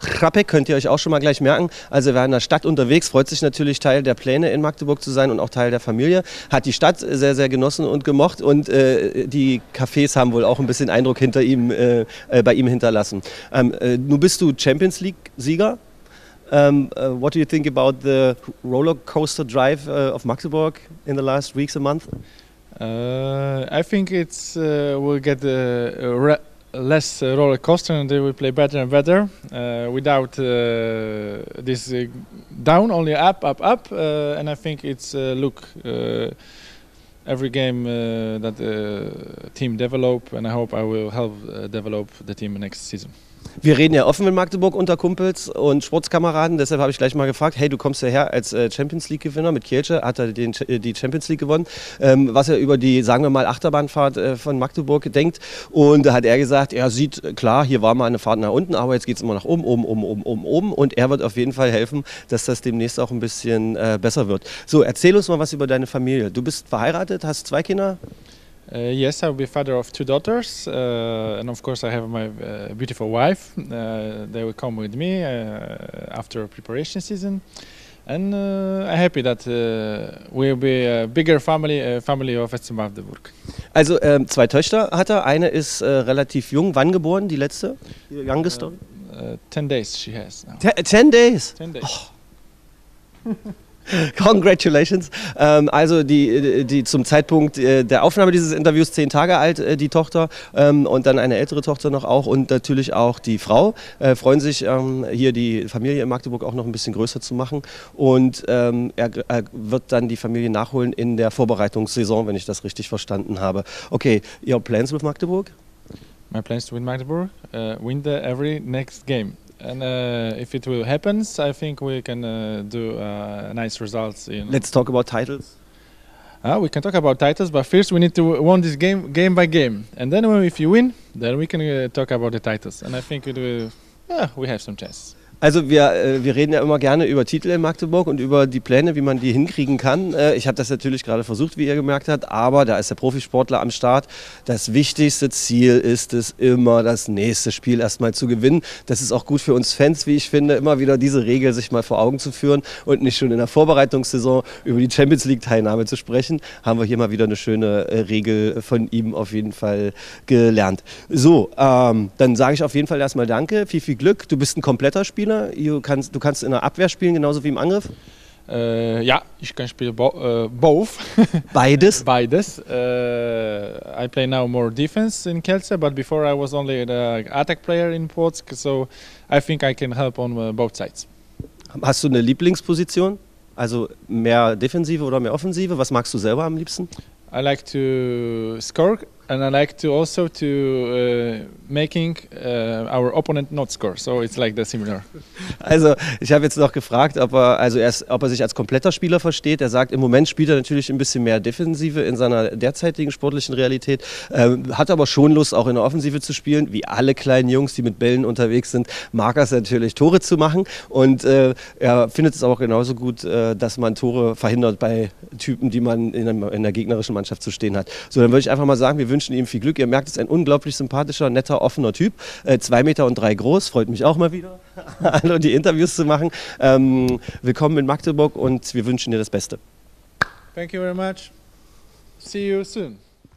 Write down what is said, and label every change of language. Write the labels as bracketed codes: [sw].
[de] Chrapek könnt ihr euch auch schon mal gleich merken. Also wer in der Stadt unterwegs, freut sich natürlich Teil der Pläne in Magdeburg zu sein und auch Teil der Familie. Hat die Stadt sehr, sehr genossen und gemocht und die Cafés haben wohl auch ein bisschen Eindruck hinter ihm, bei ihm hinterlassen. Nun bist du Champions League-Sieger. [en] What do you think about the rollercoaster drive of Magdeburg in the last weeks and month? I think it's we'll get the less roller coaster and they will play better and better without this down, only up, and I think it's every game that the team develop, and I hope I will help develop the team next season. [de] Wir reden ja offen mit Magdeburg unter Kumpels und Sportskameraden, deshalb habe ich gleich mal gefragt, hey, du kommst ja her als Champions League Gewinner, mit Kielce hat er die Champions League gewonnen, was er über die, sagen wir mal, Achterbahnfahrt von Magdeburg denkt, und da hat er gesagt, er sieht, klar, hier war mal eine Fahrt nach unten, aber jetzt geht es immer nach oben, oben, und er wird auf jeden Fall helfen, dass das demnächst auch ein bisschen besser wird. So, erzähl uns mal was über deine Familie. Du bist verheiratet, hast zwei Kinder? [en] Yes, I will be father of two daughters, and of course I have my beautiful wife. They will come with me after preparation season, and I'm happy that we will be a bigger family of FC Magdeburg. [de] Also zwei Töchter hat er. Eine ist relativ jung. Wann geboren? Die letzte? [en] Die youngest? 10 days she has. Ten days. 10 days. Oh. Congratulations. [de] Also die zum Zeitpunkt der Aufnahme dieses Interviews 10 Tage alt, die Tochter, und dann eine ältere Tochter noch auch und natürlich auch die Frau. Freuen sich hier die Familie in Magdeburg auch noch ein bisschen größer zu machen, und er wird dann die Familie nachholen in der Vorbereitungssaison, wenn ich das richtig verstanden habe. [en] Okay, your plans with Magdeburg? My plans to win Magdeburg, win the every next game. And if it will happen, I think we can do nice results. You know. Let's talk about titles. We can talk about titles, but first we need to win this game by game. And then if you win, then we can talk about the titles. And I think it will, we have some chance. [de] Also wir reden ja immer gerne über Titel in Magdeburg und über die Pläne, wie man die hinkriegen kann. Ich habe das natürlich gerade versucht, wie ihr gemerkt habt, aber da ist der Profisportler am Start. Das wichtigste Ziel ist es, immer das nächste Spiel erstmal zu gewinnen. Das ist auch gut für uns Fans, wie ich finde, immer wieder diese Regel sich mal vor Augen zu führen und nicht schon in der Vorbereitungssaison über die Champions League Teilnahme zu sprechen. Haben wir hier mal wieder eine schöne Regel von ihm auf jeden Fall gelernt. So, dann sage ich auf jeden Fall erstmal danke, viel, viel Glück. Du bist ein kompletter Spieler. Du kannst in der Abwehr spielen, genauso wie im Angriff? Ja, ich kann spielen both. Beides? Beides. [en] I play now more defense in Kielce, but before I was only the attack player in Płock, so I think I can help on both sides. [de] Hast du eine Lieblingsposition? Also mehr Defensive oder mehr Offensive? Was magst du selber am liebsten? [en] I like to score. And I like to also to making our opponent not score. So it's like the similar. [de] Also ich habe jetzt noch gefragt, ob er sich als kompletter Spieler versteht. Er sagt, im Moment spielt er natürlich ein bisschen mehr Defensive in seiner derzeitigen sportlichen Realität. Hat aber schon Lust, auch in der Offensive zu spielen. Wie alle kleinen Jungs, die mit Bällen unterwegs sind, mag er es natürlich, Tore zu machen. Und er findet es auch genauso gut, dass man Tore verhindert bei Typen, die man in der gegnerischen Mannschaft zu stehen hat. So, dann würde ich einfach mal sagen, wir wünschen wünschen ihm viel Glück. Ihr merkt, es ist ein unglaublich sympathischer, netter, offener Typ. 2 Meter und 3 groß, freut mich auch mal wieder, alle die Interviews zu machen. Willkommen in Magdeburg und wir wünschen dir das Beste. [en] Thank you very much. See you soon.